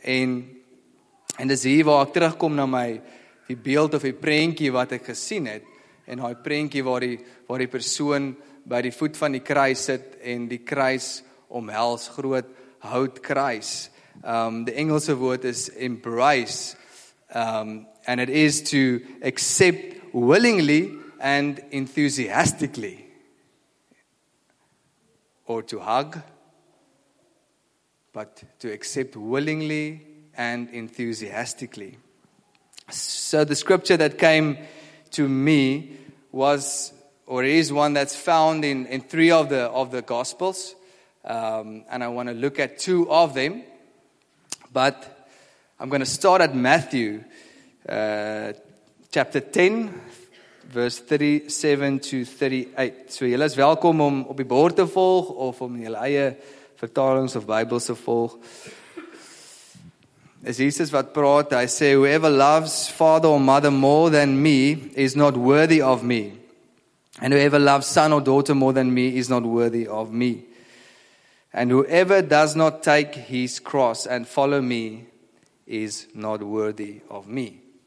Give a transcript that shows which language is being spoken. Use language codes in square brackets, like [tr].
[af] En dis hier waar ek terugkom na my, die beeld of die prentjie wat ek gesien het, en daai prentjie waar die persoon by die voet van die kruis sit en die kruis omhels, groot houtkruis. [en] The Engelse woord is embrace. And it is to accept willingly and enthusiastically. Or to hug. But to accept willingly and enthusiastically. So the scripture that came to me was, or is one that's found in three of the Gospels. And I want to look at two of them. But I'm going to start at Matthew chapter 10, verse 37 to 38. [af] So jy is welkom om op die bord te volg of om jy eie vertalings of Bybels te volg. As Jesus wat praat, hy sê, [en] whoever loves father or mother more than me is not worthy of me. And whoever loves son or daughter more than me is not worthy of me. And whoever does not take his cross and follow me is not worthy of me.